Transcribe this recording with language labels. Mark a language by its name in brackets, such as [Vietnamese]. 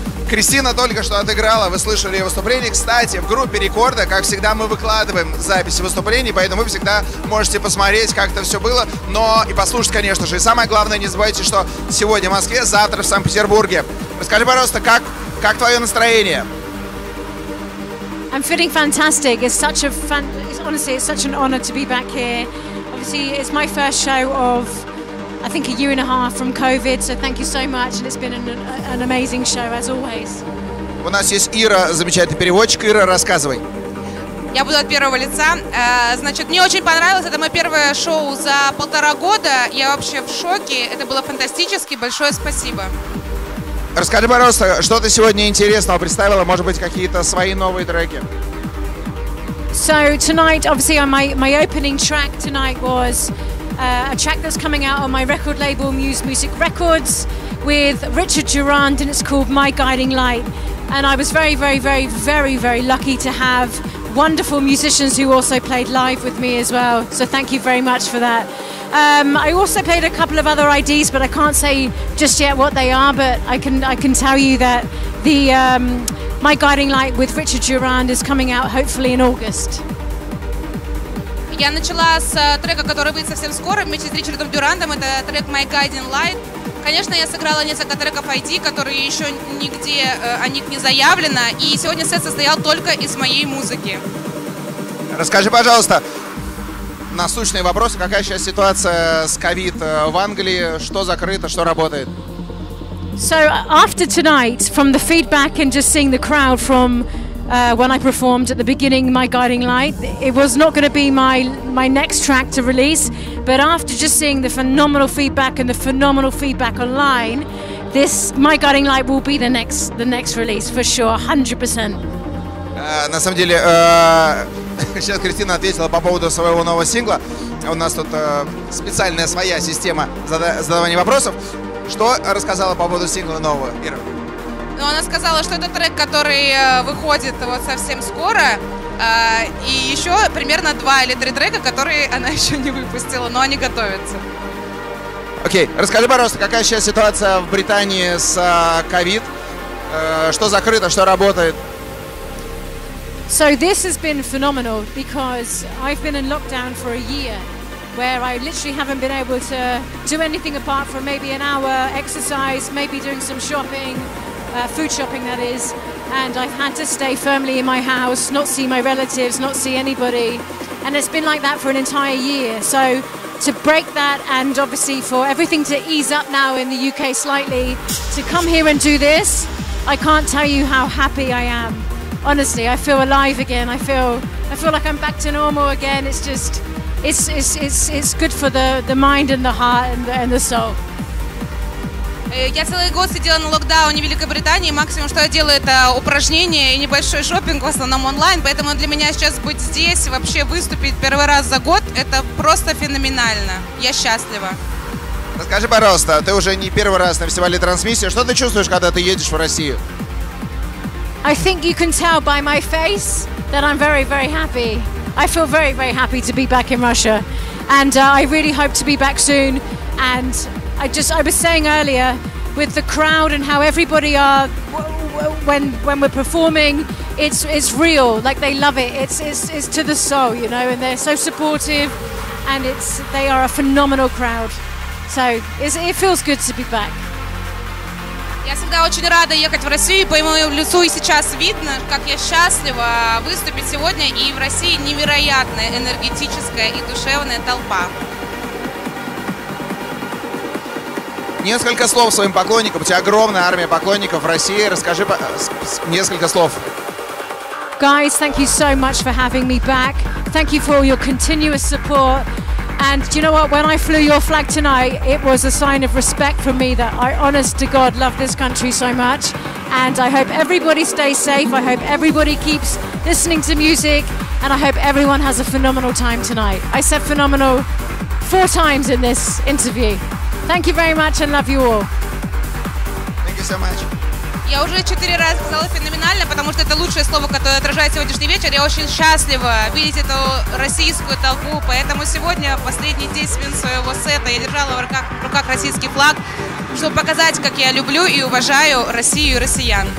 [Russian] Кристина только что отыграла, вы слышали ее выступление. Кстати, в группе «Рекорда», как всегда, мы выкладываем записи выступлений, поэтому вы всегда можете посмотреть, как это все было, но и послушать, конечно же. И самое главное, не забывайте, что сегодня в Москве, завтра в Санкт-Петербурге. Расскажи, пожалуйста, как твое настроение? [English] I'm feeling fantastic. It's such a fun... Honestly, it's such an honor to be back here. Obviously, it's my first show of... I think a year and a half from COVID, so thank you so much, and it's been an amazing show as always. [Russian] У нас есть Ира, замечательный переводчик. Ира, рассказывай. Я буду от первого лица. Значит, мне очень понравилось. Это мое первое шоу за полтора года. Я вообще в шоке. Это было фантастически. Большое спасибо. Расскажи, пожалуйста, что ты сегодня интересного представила? Может быть, какие-то свои новые треки? [English] So tonight, obviously, my opening track tonight was. A track that's coming out on my record label, Muse Music Records, with Richard Durand, and it's called My Guiding Light. And I was very, very, very, very, very lucky to have wonderful musicians who also played live with me as well. So thank you very much for that. I also played a couple of other IDs, but I can't say just yet what they are, but I can tell you that the My Guiding Light with Richard Durand is coming out hopefully in August. [Russian] Я начала с трека, который выйдет совсем скоро, вместе с Ричардом Дюрандом. Это трек My Guiding Light. Конечно, я сыграла несколько треков ID, которые еще нигде о них не заявлено. И сегодня сет состоял только из моей музыки. Расскажи, пожалуйста, насущные вопросы. Какая сейчас ситуация с COVID в Англии? Что закрыто, что работает? [English] So, after tonight, from the feedback and just seeing the crowd from... when I performed at the beginning, My Guiding Light, it was not going to be my next track to release, but after just seeing the phenomenal feedback and the phenomenal feedback online, this My Guiding Light will be the next release for sure, 100%. [Russian] На самом деле, сейчас Кристина ответила по поводу своего нового сингла. У нас тут специальная своя система задавания вопросов. Что рассказала по поводу сингла нового, Ира? Но она сказала, что это трек, который выходит вот совсем скоро, и еще примерно 2 или 3 трека, которые она еще не выпустила, но они готовятся. Окей, расскажи, пожалуйста, какая сейчас ситуация в Британии с COVID? Что закрыто, что работает? [English] So this has been phenomenal because I've been in lockdown for a year, where I literally haven't been able to do anything apart from maybe an hour exercise, maybe doing some shopping. Food shopping, that is, and I've had to stay firmly in my house, not see my relatives, not see anybody, and it's been like that for an entire year. So to break that, and obviously for everything to ease up now in the UK slightly, to come here and do this, I can't tell you how happy I am. Honestly, I feel alive again. I feel like I'm back to normal again. It's just, it's good for the mind and the heart and the soul. [Russian] Я целый год сидела на локдауне в Великобритании. Максимум, что я делаю, это упражнения и небольшой шопинг, в основном онлайн. Поэтому для меня сейчас быть здесь, вообще выступить первый раз за год, это просто феноменально. Я счастлива. Расскажи, пожалуйста, ты уже не первый раз на фестивале «Трансмиссия». Что ты чувствуешь, когда ты едешь в Россию? [English] I think you can tell by my face that I'm very, very happy. I feel very, very happy to be back in Russia. And I really hope to be back soon. And... I was saying earlier, with the crowd and how everybody are when we're performing, it's real. Like they love it. It's to the soul, you know. And they're so supportive, and they are a phenomenal crowd. So it feels good to be back. [Russian] Я всегда очень рада ехать в Россию. По моему лицу и сейчас видно, как я счастлива выступить сегодня. И в России невероятная энергетическая и душевная толпа. Несколько слов своим поклонникам. У тебя огромная армия поклонников в России. Расскажи несколько слов. [English] Guys, thank you so much for having me back. Thank you for all your continuous support. And you know what? When I flew your flag tonight, it was a sign of respect for me that I, honest to God, love this country so much. And I hope everybody stays safe. I hope everybody keeps listening to music. And I hope everyone has a phenomenal time tonight. I said phenomenal 4 times in this interview. Thank you very much and love you all. Thank you so much. [Russian] Я уже 4 раза сказала феноменально, потому что это лучшее слово, которое отражает сегодняшний вечер. Я очень счастлива видеть эту российскую толпу. Поэтому сегодня последние 10 минут своего сета я держала в руках российский флаг, чтобы показать, как я люблю и уважаю Россию и россиян.